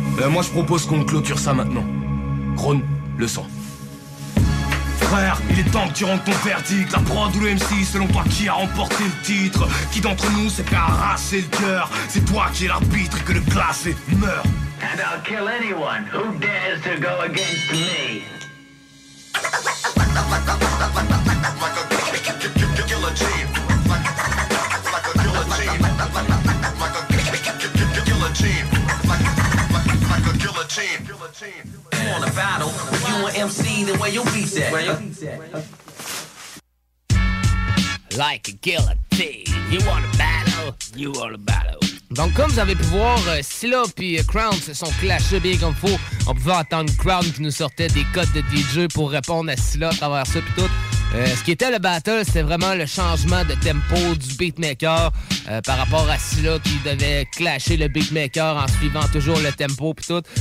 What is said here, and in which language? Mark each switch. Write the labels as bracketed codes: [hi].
[fr] Moi je propose qu'on clôture ça maintenant. Krone, le sang. frère, il est temps que tu rendes ton verdict. La prod ou le MC, selon toi, qui a remporté le titre? Qui d'entre nous s'est fait arracher le cœur? C'est toi qui es l'arbitre et que le classé meurt. [en] And I'll kill anyone who dares to go against me. You want a battle, if you want MC, then where your beats at? Like a guillotine. You want a battle, you want a battle. [fr] Donc comme vous avez pu voir, Scylla puis Crown se sont clashés bien comme faut. On pouvait entendre Crown qui nous sortait des codes de DJ pour répondre à Scylla à travers ça puis tout. Ce qui était le battle, c'était vraiment le changement de tempo du beatmaker par rapport à Scylla qui devait clasher le beatmaker en suivant toujours le tempo puis tout.